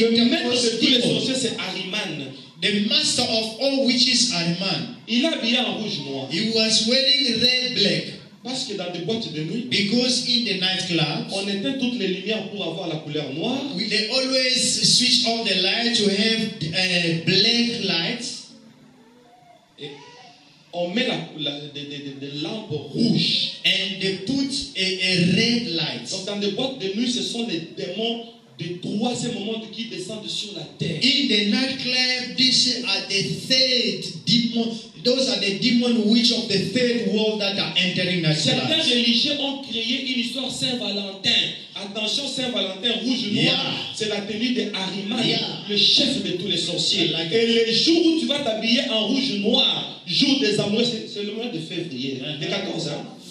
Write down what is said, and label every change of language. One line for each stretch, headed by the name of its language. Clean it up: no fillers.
French: le maître de tous les sorciers, c'est Ahriman.
English: The master of all witches, Ahriman.
French: Il a habillé en rouge noir.
English: He was wearing red black.
French: Parce que dans des boîtes de nuit,
English: because in the night clubs,
French: on éteint toutes les lumières pour avoir la couleur noire.
English: We, they always switch off the light to have black light.
French: Et on met la lampe rouge.
English: And they put a red light.
French: Donc dans des boîtes de nuit, ce sont les démons du troisième monde qui descendent sur la terre.
English: In the night club, these are the third demons. Those are the demon witch of the third world that are entering the church.
French: Certains religieux ont créé une histoire Saint-Valentin. Attention, Saint-Valentin, rouge noir,
English: yeah.
French: C'est la tenue de Ahriman,
English: yeah.
French: Le chef de tous les sorciers.
English: Like
French: et le jour où tu vas t'habiller en rouge noir, jour des amours, c'est le mois de février, le 14 ans.